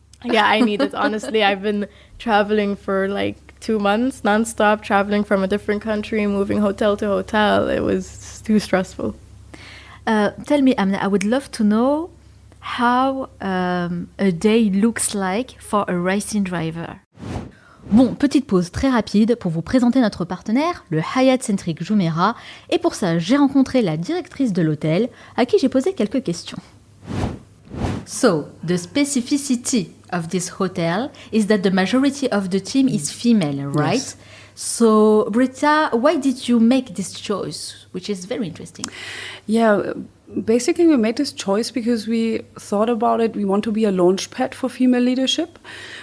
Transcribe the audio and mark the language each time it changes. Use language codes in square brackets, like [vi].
[en] Yeah, I need it. Honestly, I've been traveling for like 2 months, nonstop, traveling from a different country, moving hotel to hotel. It was too stressful. Tell me, Amna, I would love to know how a day looks like for a racing driver. [fr] Bon, petite pause très rapide pour vous présenter notre partenaire, le Hyatt Centric Jumeirah. Et pour ça, j'ai rencontré la directrice de l'hôtel à qui j'ai posé quelques questions. [en] So, the specificity of this hotel is that the majority of the team is female, right? Yes. So, Britta, why did you make this choice, which is very interesting? Yeah, basically we made this choice because we thought about it. We want to be a launch pad for female leadership. Okay.